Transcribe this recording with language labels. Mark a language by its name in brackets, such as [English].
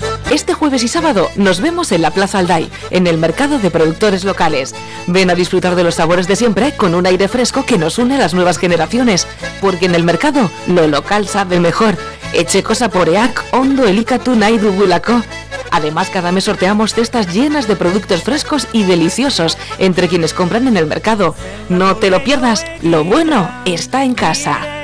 [Spanish] Este jueves y sábado nos vemos en la Plaza Alday, en el mercado de productores locales. Ven a disfrutar de los sabores de siempre con un aire fresco que nos une a las nuevas generaciones, porque en el mercado lo local sabe mejor. [Basque] Etxekoa Saporeak ondo elikatu nahi dugulako. [Spanish] Además, cada mes sorteamos cestas llenas de productos frescos y deliciosos entre quienes compran en el mercado. No te lo pierdas, lo bueno está en casa.